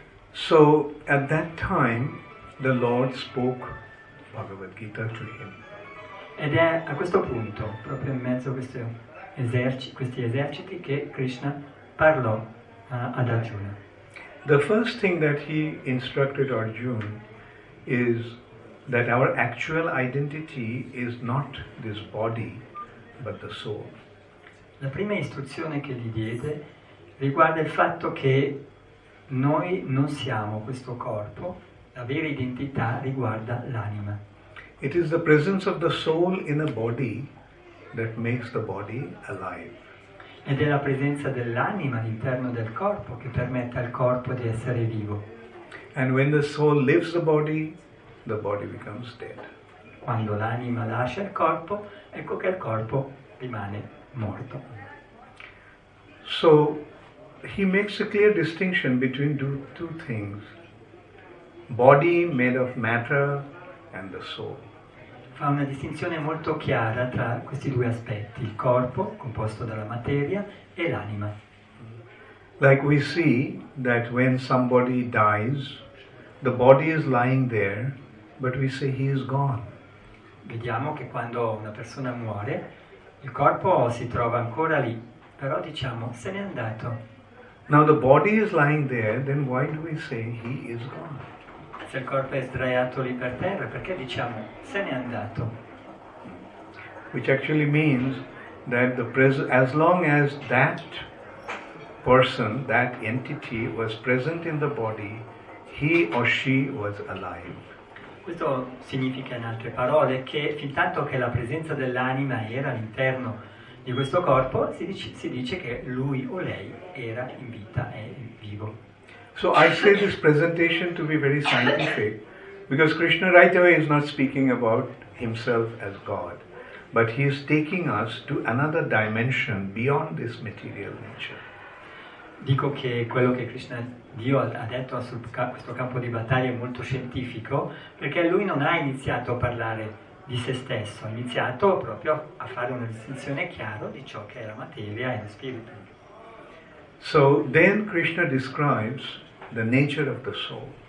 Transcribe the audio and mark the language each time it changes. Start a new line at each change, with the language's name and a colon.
English: So, at that time, the Lord spoke Bhagavad Gita to him.
Italian: Ed è a questo punto, proprio in mezzo a questi eserciti, che Krishna parlò ad Arjuna.
English: The first thing that he instructed Arjuna is that our actual identity is not this body, but the soul.
Italian: La prima istruzione che gli diede riguarda il fatto che noi non siamo questo corpo, la vera identità riguarda l'anima.
English: It is the presence of the soul in a body that makes the body alive.
Italian: Ed è la presenza dell'anima all'interno del corpo che permette al corpo di essere vivo.
English: And when the soul leaves the body becomes dead.
Italian: Quando l'anima lascia il corpo, ecco che il corpo rimane morto.
English: So he makes a clear distinction between two things: body made of matter and the soul.
Italian: Fa una distinzione molto chiara tra questi due aspetti, il corpo composto dalla materia e l'anima.
English: Like we see that when somebody dies, the body is lying there, but we say he is gone.
Italian: Vediamo che quando una persona muore, il corpo si trova ancora lì, però diciamo se n'è andato.
English: Now the body is lying there, then why do we say he is gone?
Italian: Se il corpo è sdraiato lì per terra, perché diciamo se n'è andato?
English: Which actually means that the as long as that person, that entity, was present in the body, he or she was alive.
Italian: Questo significa, in altre parole, che fin tanto che la presenza dell'anima era all'interno di questo corpo, si dice che lui o lei era in vita, è vivo.
English: So I say this presentation to be very scientific, because Krishna right away is not speaking about himself as God, but he is taking us to another dimension beyond this material nature.
Italian: Dico che quello che Krishna Dio ha detto su questo campo di battaglia è molto scientifico, perché lui non ha iniziato a parlare di se stesso, ha iniziato proprio a fare una distinzione chiara di ciò che è la materia e lo spirito.
English: So then Krishna describes the nature of the soul.